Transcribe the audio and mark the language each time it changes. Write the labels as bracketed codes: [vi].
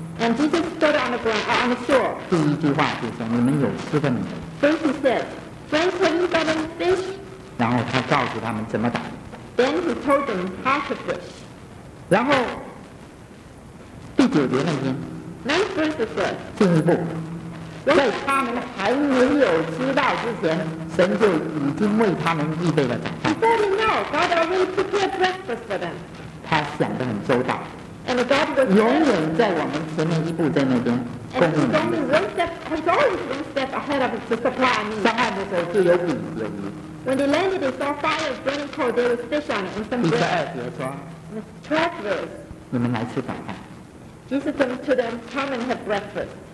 [en] And Jesus stood on the ground, on the shore. [zh] 第一句话就说你们有吃的没有 [en] ？First he said, "Friends, have you got any fish?" [zh] 然后他告诉他们怎么打。 [en] Then he told them how to fish. [zh] 然后第九节那天 [en] ，Next verse says, [zh] 进一步，在他们还没有知道之前，神就已经为他们预备了早餐。 [en] Before they know, God already prepared breakfast for them. [zh] 他想得很周到。 [en] And God was [zh] 永远在我们前面一步，在那边供应。 [en] And he's only one step. He's always one step ahead of the supply. [zh] 上岸的时候就有饼子。 [en] When they landed, they saw fire burning coal. There was fish on it and some bread. [zh] 第十二节说。 [en] The twelfth verse. [zh] 你们来吃早饭。 [en] Jesus said to them, "Come and have breakfast."